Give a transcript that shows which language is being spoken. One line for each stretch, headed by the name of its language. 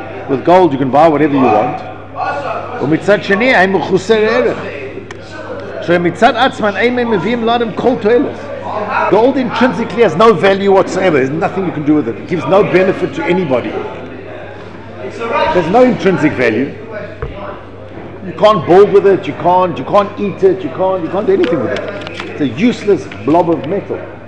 English: With gold you can buy whatever you want.
Hebrew: ומצד שני, הם מחוסר ערך. שמצד עצמן, הם מביאים לאדם כל תועלת.
English: Gold intrinsically has no value whatsoever. There's nothing you can do with it. It gives no benefit to anybody. There's no intrinsic value. You can't build with it. You can't eat it. You can't do anything with it. It's a useless blob of metal.